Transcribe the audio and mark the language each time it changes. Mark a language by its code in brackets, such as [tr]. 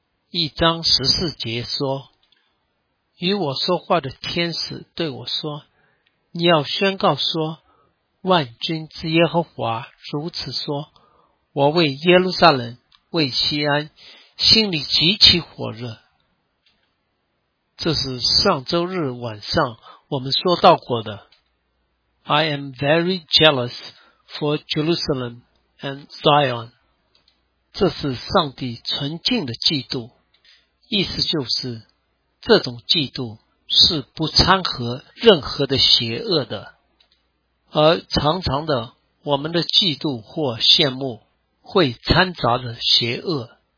[zh] 一章十四节说，与我说话的天使对我说，你要宣告说，万军之耶和华如此说，我为耶路撒冷，为西安，心里极其火热。这是上周日晚上我们说到过的。 [en] I am very jealous for Jerusalem and Zion. [zh] 这是上帝纯净的嫉妒，意思就是这种嫉妒是不掺和任何的邪恶的。而常常的，我们的嫉妒或羡慕会掺杂着邪恶。